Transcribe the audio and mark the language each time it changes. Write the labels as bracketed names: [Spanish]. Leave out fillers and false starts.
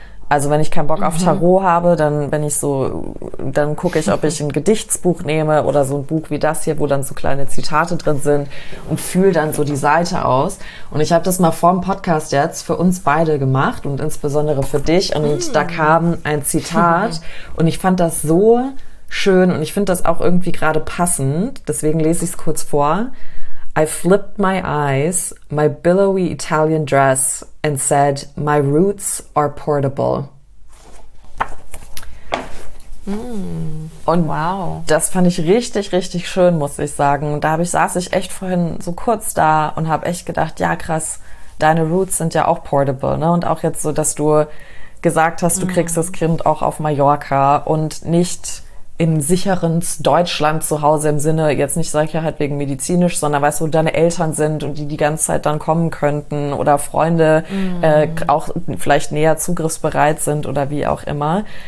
[German] Also wenn ich keinen Bock auf Tarot habe, dann bin ich so, dann gucke ich, ob ich ein Gedichtsbuch nehme oder so ein Buch wie das hier, wo dann so kleine Zitate drin sind und fühle dann so die Seite aus. Und ich habe das mal vor dem Podcast jetzt für uns beide gemacht und insbesondere für dich. Und da kam ein Zitat und ich fand das so schön und ich finde das auch irgendwie gerade passend. Deswegen lese ich es kurz vor. [English] I flipped my eyes, my billowy Italian dress, and said, my roots are portable. [German] Und wow, das fand ich richtig, richtig schön, muss ich sagen. Und da saß ich echt vorhin so kurz da und habe echt gedacht, ja krass, deine Roots sind ja auch portable. Ne? Und auch jetzt so, dass du gesagt hast, du kriegst das Kind auch auf Mallorca und nicht im sicheren Deutschland zu Hause, im Sinne jetzt nicht Sicherheit wegen medizinisch, sondern weißt du, wo deine Eltern sind und die ganze Zeit dann kommen könnten oder Freunde auch vielleicht näher zugriffsbereit sind oder wie auch immer.